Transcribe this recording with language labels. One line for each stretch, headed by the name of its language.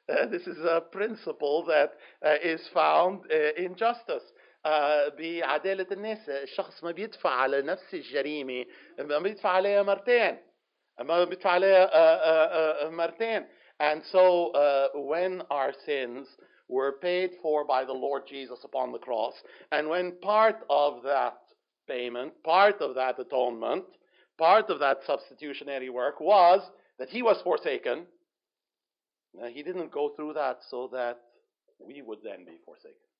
English: This is a principle that is found in justice.
Arabic: بعدالة الناس الشخص ما بيدفع على نفس الجريمة ما بيدفع عليها مرتين ما بيدفع عليها مرتين.
English: And so when our sins were paid for by the Lord Jesus upon the cross, and when part of that payment, part of that atonement, part of that substitutionary work was that he was forsaken, now, he didn't go through that so that we would then be forsaken.